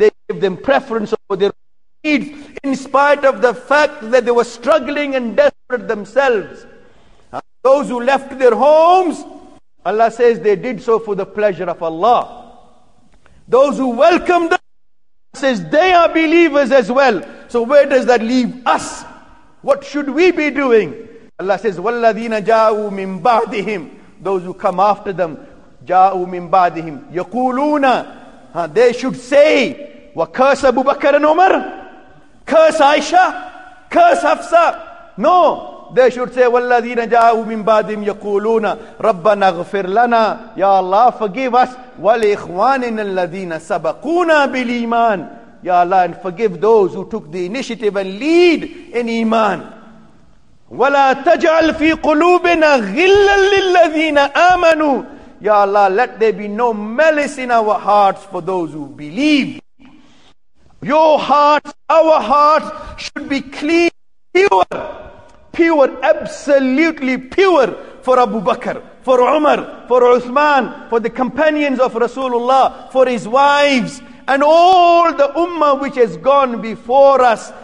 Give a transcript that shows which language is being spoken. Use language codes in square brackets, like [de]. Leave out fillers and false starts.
[en] They gave them preference over their needs in spite of the fact that they were struggling and desperate themselves. Those who left their homes, Allah says they did so for the pleasure of Allah. Those who welcomed them, Allah says they are believers as well. So where does that leave us? What should we be doing? Allah says, [ar] وَالَّذِينَ جَاءُوا مِنْ بَعْدِهِمْ. [en] Those who come after them, [ar] جاءوا من بعدهم يقولون, [en] they should say, وَكَرْسَ أَبُو بَكَرَ نُمَرْ, curse Aisha, curse Hafsa. No, they should say, [ar] وَالَّذِينَ جَاءُوا مِنْ بَعْدِهِمْ يَقُولُونَ رَبَّنَا اغْفِرْ لَنَا, Ya Allah, [en] forgive us, [ar] وَلِإِخْوَانِنَا الَّذِينَ سَبَقُونَا بِالْإِيمَانِ. [en] Ya Allah, and forgive those who took the initiative and lead in iman. [ar] وَلَا تَجْعَلْ فِي قُلُوبِنَا غِلًّا لِلَّذِينَ آمَنُوا. [en] Ya Allah, let there be no malice in our hearts for those who believe. Your hearts, our hearts should be clean, pure, pure, absolutely pure for Abu Bakr, for Umar, for Uthman, for the companions of Rasulullah, for his wives, and all the ummah which has gone before us.